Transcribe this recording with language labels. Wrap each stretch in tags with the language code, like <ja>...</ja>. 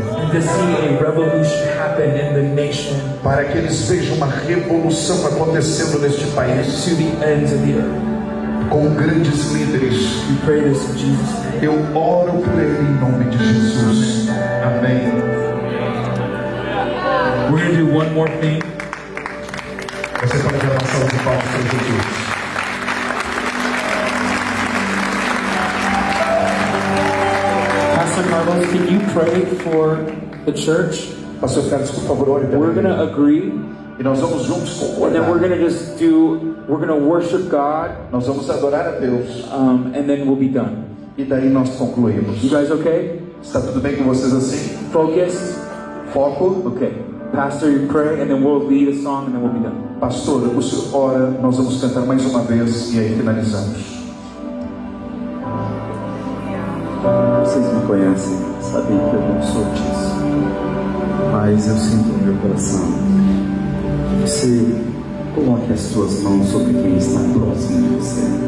<en>and to see a revolution happen in the nation,</en> <pt>para que eles vejam uma revolução acontecendo neste país,</pt> <en>to the ends of the earth,</en> <pt>com grandes líderes.</pt> <en>We pray this in Jesus' name.</en> <pt>Eu oro por ele em nome de Jesus. Amém.</pt> <en>We're going to do one more thing.</en> <pt>Você pode dar uma salva de palmas para Jesus.</pt> <en>Pastor Carlos, can you pray for the church?</en> <pt>Pastor Carlos, por favor, ore.</pt> <en>We're going to agree.</en> <pt>E nós vamos juntos concordar.</pt> <en>And then we're going to just do, we're going to worship God.</en> <pt>Nós vamos adorar a Deus.</pt> <en>And then we'll be done.</en> <pt>E daí nós concluímos.</pt> <en>You guys okay?</en> <pt>Está tudo bem com vocês assim?</pt> <en>Focus.</en> <pt>Foco.</pt> <en>Okay. Pastor, you pray, and then we'll lead a song, and then we'll be done.</en> <pt>Pastor, o senhor ora, nós vamos cantar mais uma vez, e aí finalizamos. Vocês me conhecem, sabem que eu não sou disso. Mas eu sinto no meu coração. Você coloque as suas mãos sobre quem está próximo de você.</pt>